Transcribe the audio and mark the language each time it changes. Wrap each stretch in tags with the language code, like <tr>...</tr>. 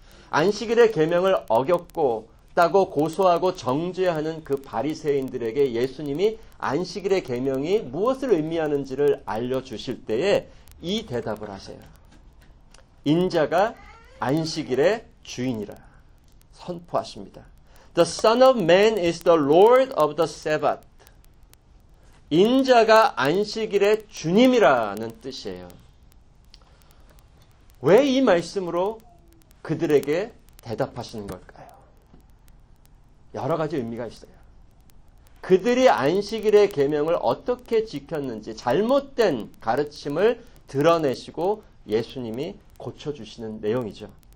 <ko>안식일의 계명을 어겼고 다고 고소하고 정죄하는 그 바리새인들에게 예수님이 안식일의 계명이 무엇을 의미하는지를 알려주실 때에 이 대답을 하세요. 인자가 안식일의 주인이라 선포하십니다.</ko> <en>The Son of Man is the Lord of the Sabbath.</en> <ko>인자가 안식일의 주님이라는 뜻이에요. 왜 이 말씀으로 그들에게 대답하시는 걸까요? 여러 가지 의미가 있어요. 그들이 안식일의 계명을 어떻게 지켰는지 잘못된 가르침을 드러내시고 예수님이 고쳐주시는 내용이죠.</ko>